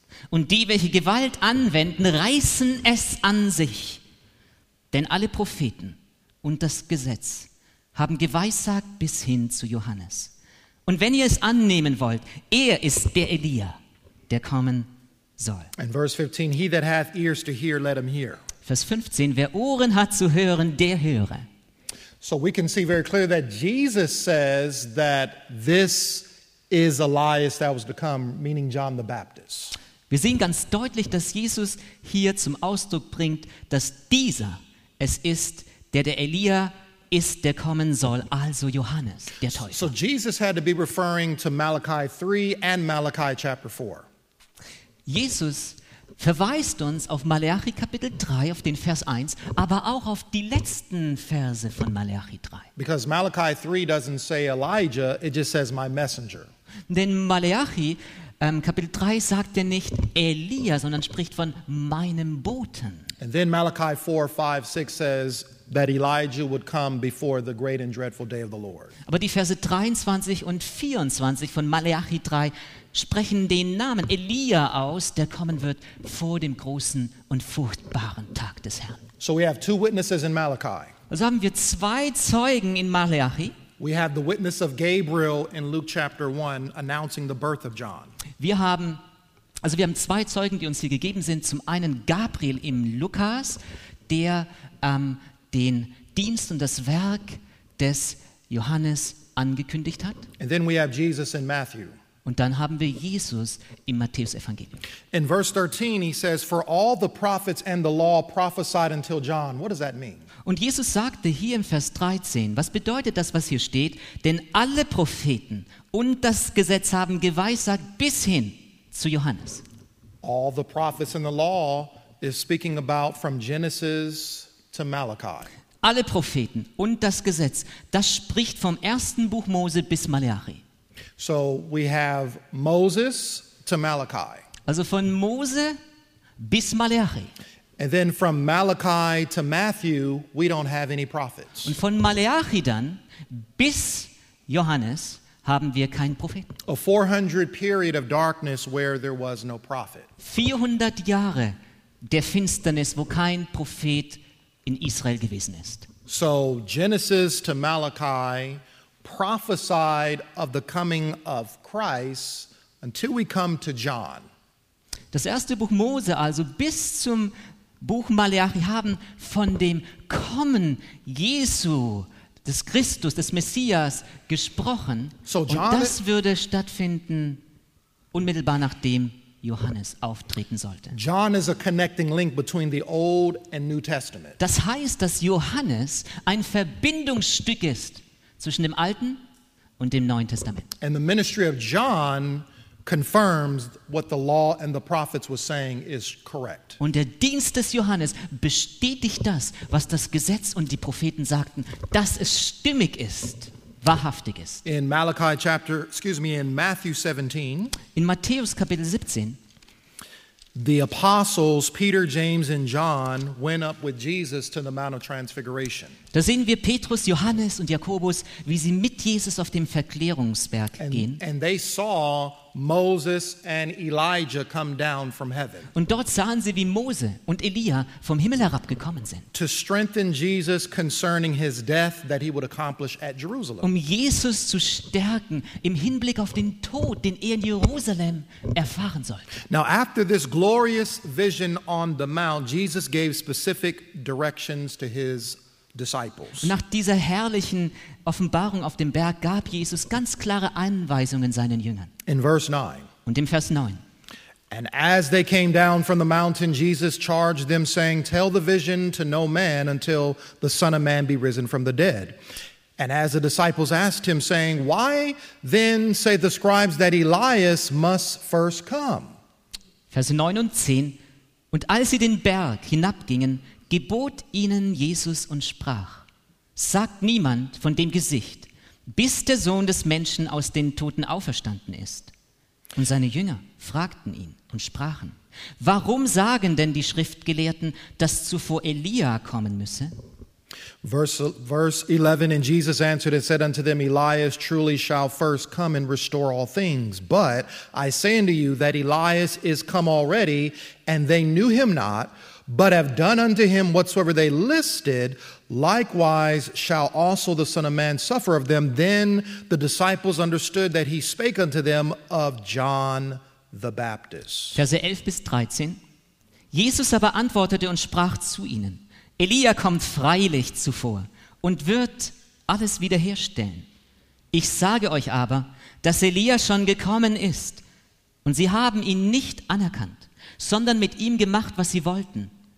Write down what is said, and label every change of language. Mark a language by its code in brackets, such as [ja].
[de] Und die, welche Gewalt anwenden, reißen es an sich. Denn alle Propheten und das Gesetz haben geweissagt bis hin zu Johannes. Und wenn ihr es annehmen wollt, er ist der Elia, der kommen soll. [en] And verse 15, he that hath ears to hear, let him hear. [de] Vers 15, wer Ohren hat zu hören, der höre. [en] So we can see very clearly that Jesus says that this is Elias that was to come, meaning John the Baptist. [de] Wir sehen ganz deutlich, dass Jesus hier zum Ausdruck bringt, dass dieser es ist, der Elia ist, der kommen soll, also Johannes der Täufer. [en] So Jesus had to be referring to Malachi 3 and Malachi chapter 4. [de] Jesus verweist uns auf Malachi Kapitel 3, auf den Vers 1, aber auch auf die letzten Verse von Malachi 3. [en] Because Malachi 3 doesn't say Elijah, it just says my messenger. [de] Denn Malachi Kapitel 3 sagt er nicht Elia, sondern spricht von meinem Boten. [en] And then Malachi 4, 5, 6 says that Elijah would come before the great and dreadful day of the Lord. [de] Aber die Verse 23 und 24 von Malachi 3 sprechen den Namen Elia aus, der kommen wird vor dem großen und furchtbaren Tag des Herrn. [en] So we have two witnesses in Malachi. [de] Also haben wir zwei Zeugen in Malachi. [en] We have the witness of Gabriel in Luke chapter 1 announcing the birth of John. [de] Wir haben zwei Zeugen, die uns hier gegeben sind, zum einen Gabriel im Lukas, der den Dienst und das Werk des Johannes angekündigt hat. [en] And then we have Jesus in Matthew. [de] Und dann haben wir Jesus im Matthäus-Evangelium. [en] In verse 13 he says, for all the prophets and the law prophesied until John. What does that mean? [de] Und Jesus sagte hier im Vers 13, was bedeutet das, was hier steht? Denn alle Propheten und das Gesetz haben geweissagt bis hin zu Johannes. [en] All the prophets and the law is speaking about from Genesis to Malachi. [de] Alle Propheten und das Gesetz, das spricht vom ersten Buch Mose bis Malachi. [en] So we have Moses to Malachi. [de] Also von Mose bis Malachi. [en] And then from Malachi to Matthew, we don't have any prophets. [de] Und von Malachi dann bis Johannes haben wir keinen Propheten. [en] A 400 period of darkness where there was no prophet. [de] 400 Jahre der Finsternis, wo kein Prophet in Israel gewesen ist. [en] So Genesis to Malachi prophesied of the coming of Christ until we come to John. [de] Das erste Buch Mose, also bis zum Buch Maleachi, haben von dem Kommen Jesu, des Christus, des Messias gesprochen. [en] So John, [de] und das würde stattfinden unmittelbar nachdem Johannes auftreten sollte. [en] John is a connecting link between the Old and New Testament. [de] Das heißt, dass Johannes ein Verbindungsstück ist zwischen dem Alten und dem Neuen Testament. [en] And the ministry of John confirms what the law and the prophets were saying is correct. [de] Und der Dienst des Johannes bestätigt das, was das Gesetz und die Propheten sagten, dass es stimmig ist. Wahrhaftiges. [en] In Malachi chapter, excuse me, in Matthew 17. [de] In Matthäus Kapitel 17. [en] The apostles Peter, James and John went up with Jesus to the Mount of Transfiguration. [de] Da sehen wir Petrus, Johannes und Jakobus, wie sie mit Jesus auf dem Verklärungsberg gehen. [en] And they saw Moses and Elijah come down from heaven. [de] Und dort sahen sie, wie Mose und Elia vom Himmel herabgekommen sind. [en] To strengthen Jesus concerning his death that he would accomplish at Jerusalem. [de] Um Jesus zu stärken im Hinblick auf den Tod, den in Jerusalem erfahren sollte. [en] Now after this glorious vision on the mount, Jesus gave specific directions to his disciples. [de] Nach dieser herrlichen Offenbarung auf dem Berg gab Jesus ganz klare Anweisungen seinen Jüngern. [en] In verse 9. [de] Und im Vers 9. [en] And as they came down from the mountain, Jesus charged them, saying, tell the vision to no man until the Son of Man be risen from the dead. And as the disciples asked him, saying, why then say the scribes that Elias must first come? [de] Vers 9 und 10. Und als sie den Berg hinabgingen, gebot ihnen Jesus und sprach, sagt niemand von dem Gesicht, bis der Sohn des Menschen aus den Toten auferstanden ist. Und seine Jünger fragten ihn und sprachen, warum sagen denn die Schriftgelehrten, dass zuvor Elia kommen müsse? [en] Verse 11, and Jesus answered and said unto them, Elias truly shall first come and restore all things. But I say unto you that Elias is come already, and they knew him not, but have done unto him whatsoever they listed, likewise shall also the Son of Man suffer of them. Then the disciples understood that he spake unto them of John the Baptist. [de] Verse 11 bis 13. Jesus aber antwortete und sprach zu ihnen, Elia kommt freilich zuvor und wird alles wiederherstellen. Ich sage euch aber, dass Elia schon gekommen ist, und sie haben ihn nicht anerkannt, sondern mit ihm gemacht, was sie wollten.